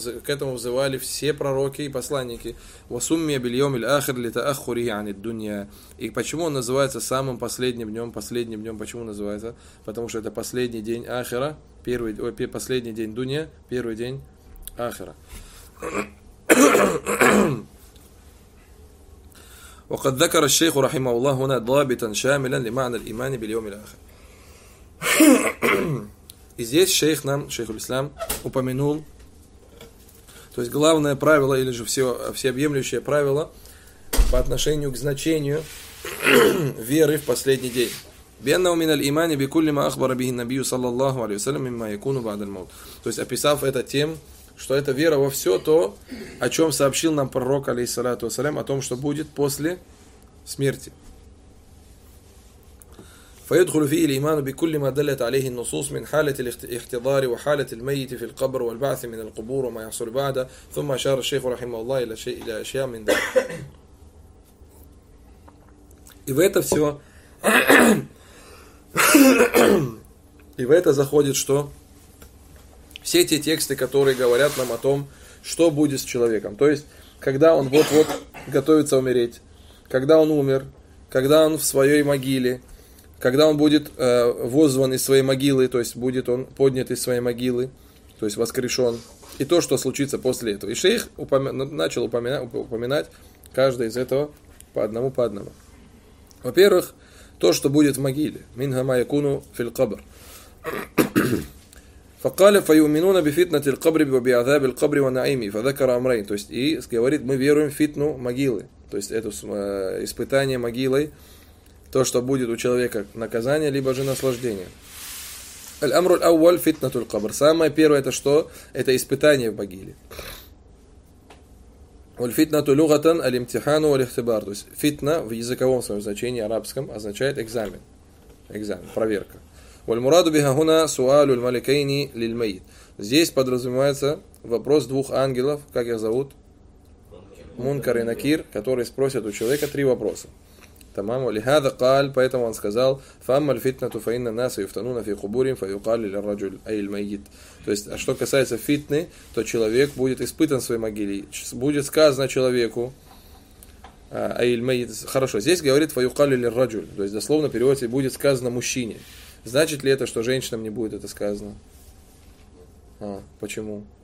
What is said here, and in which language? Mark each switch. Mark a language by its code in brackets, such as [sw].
[ru] К этому взывали все пророки и посланники. [ar] Васуммия биль-йоми аль-ахир литаахурихи ан-дунья. [ru] И почему он называется самым последним днем, почему называется? Потому что это последний день ахира, последний день дунья, первый день ахира. [ar] وقد ذكر الشيخ رحمه الله هنا ضابطا شاملا لمعنى الايمان باليوم الاخر. [ru] И здесь шейх нам, шейх ислам, упомянул, то есть главное правило, или же всеобъемлющее правило по отношению к значению веры в последний день. [ar] بأنه من الايمان بكل ما اخبر به النبي صلى الله عليه وسلم مما يكون بعد الموت. [ru] То есть описав это тем, что это вера во все то, о чем сообщил нам пророк, алейхиссалату вассалям, о том, что будет после смерти. [ar] فيدخل فيه الإيمان بكل ما دلت عليه النصوص من حالة الاحتضار وحالة الميت في القبر والبعث من القبور وما يحصل بعده. ثم أشار الشيخ رحمه الله إلى شيء إلى أشياء من ذلك. [ru] И в это заходит что? Все те тексты, которые говорят нам о том, что будет с человеком. То есть, когда он вот-вот готовится умереть, когда он умер, когда он в своей могиле, когда он будет воззван из своей могилы, то есть будет он поднят из своей могилы, то есть воскрешен, и то, что случится после этого. И шейх начал упоминать каждое из этого по одному. Во-первых, то, что будет в могиле. [ar] «Мин хамайкуну филькабр». فقال فيؤمنون بفتنة القبر وبعذاب القبر ونعيمه. فذكر أمرين. [ru] То есть и говорит, мы веруем в фитну могилы, то есть это испытание могилой, то, что будет у человека наказание либо же наслаждение. الأمر الأول فتنة القبر. Самое первое это что? Это испытание в могиле. [ar] والفتنة لغة الامتحان والاختبار. [ru] То есть فتنة в языковом своем значении арабском означает экзамен. Экзамен, проверка. [ar] والمراد بها هنا سؤال الملكين للميت. [ru] Здесь подразумевается вопрос двух ангелов, как их зовут? Мункар и Накир, которые спросят у человека три вопроса. [ar] تمام ولهذا قال [ru] поэтому он сказал [ar] فأما الفتنة فإن الناس يفتنون في قبورهم فيقال للرجل أي الميت. [ru] То есть, а что касается фитны, то человек будет испытан в своей могиле. Будет сказано человеку [ar] أي الميت. [ru] Хорошо, здесь говорит [ar] فيقال للرجل. [ru] То есть, дословно переводится будет сказано мужчине. Значит ли это, что женщинам не будет это сказано? А, почему?